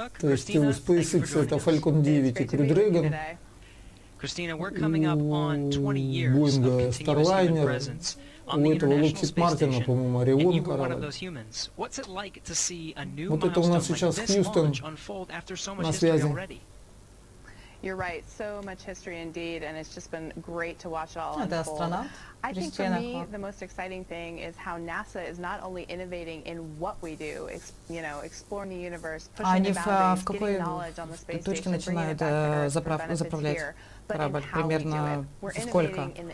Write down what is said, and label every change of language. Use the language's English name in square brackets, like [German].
[Russian] То есть у SpaceX это Falcon 9 и Crew Dragon. У Boeing Starliner. У этого Lockheed Martin, по-моему, Орион корабль. Вот это у нас сейчас Хьюстон на связи. [English] You're right. So much history indeed, and it's just been great to watch it all unfold. [Russian] Это астронавт. [English] I think for me the most exciting thing is how NASA is not only innovating in what we do, you know, exploring the universe, pushing the boundaries, getting knowledge on the space station, bringing it back to Earth for benefits here. [Russian] Корабль примерно сколько?